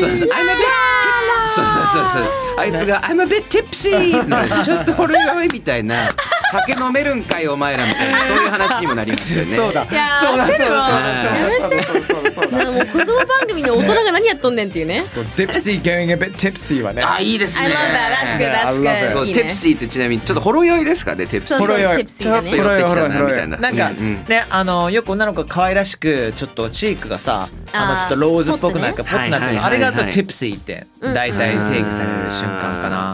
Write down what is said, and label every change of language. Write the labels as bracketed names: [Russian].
[Japanese] そうそう、 [English] I'm a bit tipsy、 [Japanese] そうそうそうそう、あいつが I'm a bit tipsy、 ちょっと俺やばいみたいな酒飲めるんかいお前らみたいな、そういう話にもなりましたよね。そうだ、いやー、焦るわ、やめて。だからもう子供番組の大人が何やっとんねんっていうね。デプシー [English] getting a bit tipsy [Japanese] はね、あ、いいですね。 [English] I love that, that's good, that's good、 [Japanese] そう、テプシーってちなみにちょっとほろ酔いですかね、テプシー。ほろ酔い、ちょっと寄ってきたなみたいな、なんかね、よく女の子可愛らしくちょっとチークがさ、あのちょっとローズっぽくなんかポッとなってる、あれがあとテプシーって大体定義される瞬間かな。